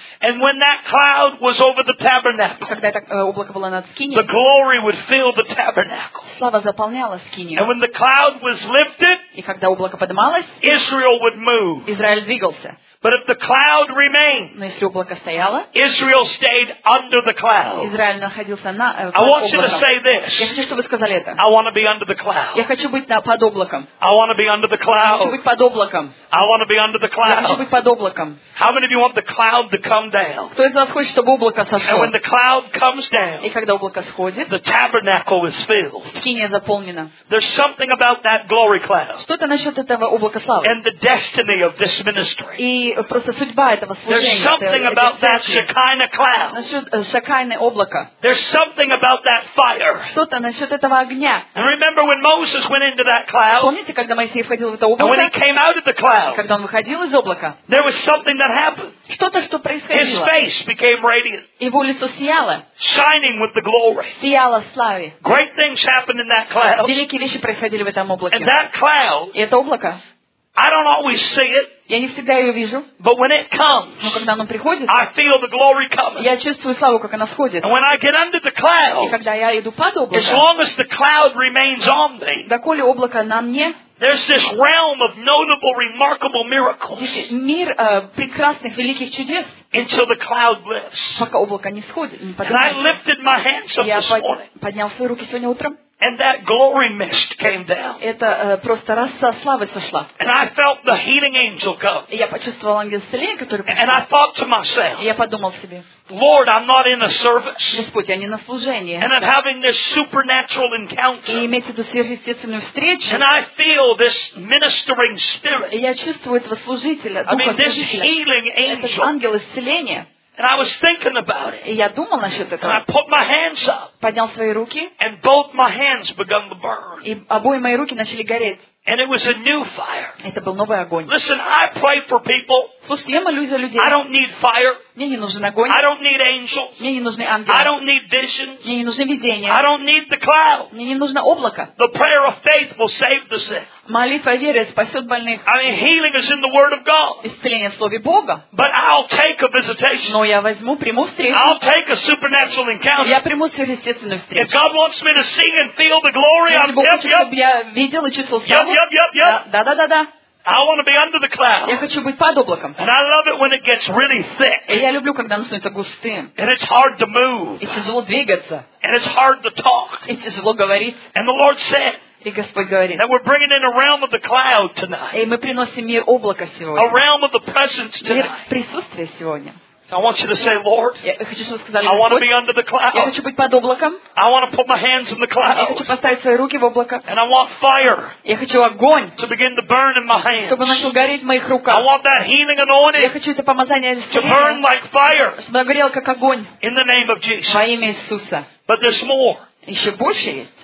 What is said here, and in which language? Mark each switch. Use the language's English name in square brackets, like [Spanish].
[English] And when that cloud was over the tabernacle, [Russian] когда это облако было над скинией, [English] the glory would fill the tabernacle. [Russian] Слава заполняла скинию. [English] And when the cloud was lifted, [Russian] и когда облако поднималось, [English] Israel would move. [Russian] Израиль двигался. [English] But if the cloud remained, [Russian] но если облако стояло, [English] Israel stayed under the cloud. [Russian] Израиль находился на облаке. [English] I want you to say this. [Russian] Я хочу, чтобы вы сказали это. [English] I want to be under the cloud. [Russian] Я хочу быть под облаком. [English] I want to be under the cloud. [Russian] Я хочу быть под облаком. [English] I want to be under the cloud. [Russian] Я хочу быть под облаком. [English] How many of you want the cloud to come down? [Russian] Кто из вас хочет, чтобы облако сошло? [English] And when the cloud comes down, [Russian] и когда облако сходит, [English] the tabernacle is filled. [Russian] Скиния заполнена. [English] There's something about that glory cloud. [Russian] Что-то насчет этого облака славы. [English] And the destiny of this ministry. [Russian] И просто судьба этого служения. [English] There's something about [Russian] насчет Шекайны облака. [English] There's something about that fire. [Russian] Что-то насчет этого огня. [English] And remember when Moses went into that cloud? [Russian] Помните, когда Моисей входил в это облако? [English] And when he came out of the cloud, [Russian] когда он выходил из облака, [English] there was something that happened. [Russian] Что-то, что происходило. [English] His face became radiant. [Russian] Его лицо сияло. [English] Shining with the glory. [Russian] Сияло в славе. [English] Great things happened in that cloud. [Russian] Великие вещи происходили в этом облаке. [English] And that cloud, [Russian] и это облако, [English] I don't always see it, [Russian] я не всегда ее вижу. [English] But when it comes, [Russian] но когда оно приходит, [English] I feel the glory coming. [Russian] Я чувствую славу, как она сходит. [English] And when I get under the cloud, [Russian] и когда я иду под облако, [English] as long as the cloud remains on me, [Russian] доколе облако на мне, [English] there's this realm of notable, remarkable miracles. [Russian] Мир прекрасных, великих чудес. [English] Until the cloud lifts. [Russian] Пока облако не сходит. [English] And I lifted my hands up this morning. [Russian] Я поднял свои руки сегодня утром. [English] And that glory mist came down. [Russian] Это просто раса славы сошла. [English] And I felt the healing angel go. [Russian] Я почувствовал ангел исцеления, который пришел. [English] And I thought to myself. [Russian] Я подумал себе. [English] Lord, I'm not in a service. [Russian] Господь, я не на служении. [English] And I'm having this supernatural encounter. [Russian] И иметь эту сверхъестественную встречу. [English] And I feel this ministering spirit. [Russian] Я чувствую этого служителя, духа служителя. [English] I mean, this healing angel. [Russian] Этот ангел исцеления. [English] And I was thinking about it. And I put my hands up. [Russian] Поднял свои руки. [English] And both my hands began to burn. [Russian] И обои мои руки начали гореть. [English] And it was a new fire. [Russian] Это был новый огонь. [English] Listen, I pray for people. [Russian] Слушайте, я молюсь за людей. [English] I don't need fire. [Russian] Мне не нужен огонь. [English] I don't need angels. [Russian] Мне не нужны ангелы. [English] I don't need visions. [Russian] Мне не нужны видения. [English] I don't need the cloud. [Russian] Мне не нужно облако. [English] The prayer of faith will save the sick. [Russian] Молитва веры спасет больных. [English] I mean, healing is in the word of God. [Russian] Исцеление в слове Бога. [English] But I'll take a visitation. [Russian] Но я возьму, приму встречу. [English] I'll take a supernatural encounter. [Russian] Я приму сверхъестественную встречу. [English] If God wants me to see and feel the glory, I'm [Russian] Бог хочет, чтобы я видел и чувствовал славу. Да. [English] I want to be under the cloud. [Russian] Я хочу быть под облаком. [English] And I love it when it gets really thick. [Russian] И я люблю, когда оно становится густым. [English] And it's hard to move. [Russian] И тяжело двигаться. [English] And it's hard to talk. [Russian] И тяжело говорить. [English] And the Lord said. [Russian] И Господь говорит. [English] That we're bringing in a realm of the cloud tonight. [Russian] И мы приносим мир облака сегодня. [English] A realm of the presence tonight. [Russian] Мир присутствия сегодня. [English] I want you to say, Lord, I want to be under the cloud. [Russian] Я хочу быть под облаком. [English] I want to put my hands in the cloud. [Russian] Я хочу поставить свои руки в облако. [English] And I want fire. [Russian] Я хочу огонь. [English] To begin to burn in my hands. [Russian] Чтобы начал гореть в моих руках. [English] I want that healing anointing. [Russian] Я хочу это помазание исцеления. [English] To burn like fire. [Russian] Чтобы оно горело как огонь. [English] In the name of Jesus. [Russian] Во имя Иисуса. [English] But there's more. [Russian] Еще больше есть.